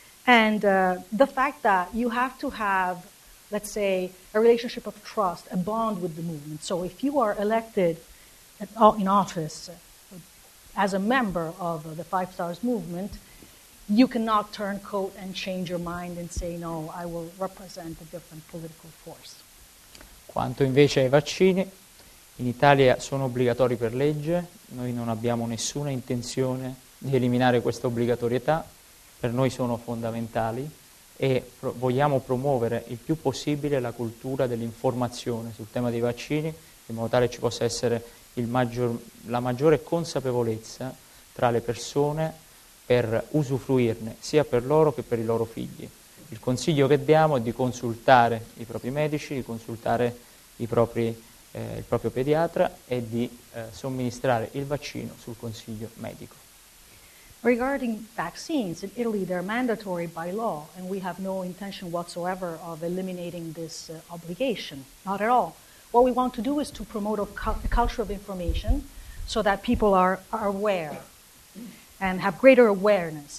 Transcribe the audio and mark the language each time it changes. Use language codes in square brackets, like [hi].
[en] And the fact that you have to have, let's say, a relationship of trust, a bond with the movement. So if you are elected in office as a member of the Five Stars Movement, you cannot turn coat and change your mind and say, no, I will represent a different political force. [it] Quanto invece ai vaccini, in Italia sono obbligatori per legge, noi non abbiamo nessuna intenzione di eliminare questa obbligatorietà, per noi sono fondamentali e vogliamo promuovere il più possibile la cultura dell'informazione sul tema dei vaccini, in modo tale ci possa essere la maggiore consapevolezza tra le persone per usufruirne, sia per loro che per i loro figli. Il consiglio che diamo è di consultare i propri medici, di consultare i propri il proprio pediatra e di somministrare il vaccino sul consiglio medico. [en] Regarding vaccines, in Italy they're mandatory by law, and we have no intention whatsoever of eliminating this obligation, not at all. What we want to do is to promote a culture of information so that people are aware and have greater awareness.